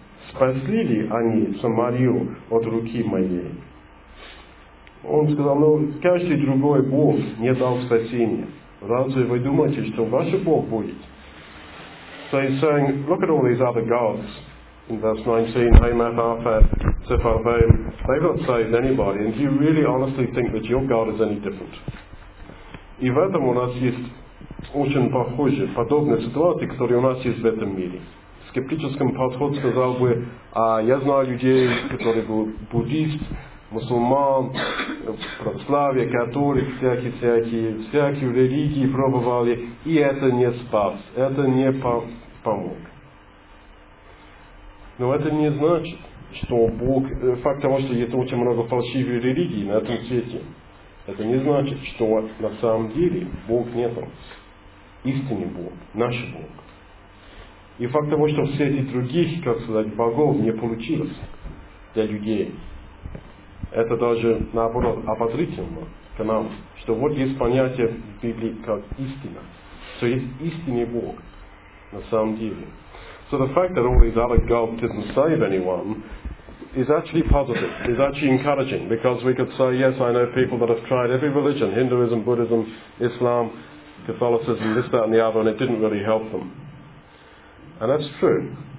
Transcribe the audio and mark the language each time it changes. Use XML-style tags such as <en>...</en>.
<ru>Спасли ли они Самарию от руки моей? Он сказал, ну, каждый другой бог не дал спасения. Разве вы думаете, что ваш бог будет?</ru> <en>So he's saying, look at all these other gods. In verse 19, Эмафа, Арпа, Сепарбаем. They've not saved anybody. And do you really honestly think that your god is any different?</en> <ru>И в этом у нас есть очень похожие, подобные ситуации, которые у нас есть в этом мире. Скептическим подходом сказал бы, а я знаю людей, которые был буддист, мусульман, православие, католик, всякие религии пробовали, и это не спас, это не помог. Но это не значит, что Бог, факт того, что есть очень много фальшивых религий на этом свете, это не значит, что на самом деле Бог нету. Истинный Бог, наш Бог. И факт того, что все эти других, как сказать, богов не получилось для людей, это даже наоборот ободрительно к нам, что вот есть понятие в Библии как истина, что есть истинный Бог на самом деле.</ru> <en>So the fact that all these other gods didn't save anyone is actually positive, is actually encouraging, because we could say, yes, I know people that have tried every religion, Hinduism, Buddhism, Islam, Catholicism, this, that and the other, and it didn't really help them. And that's true.</en>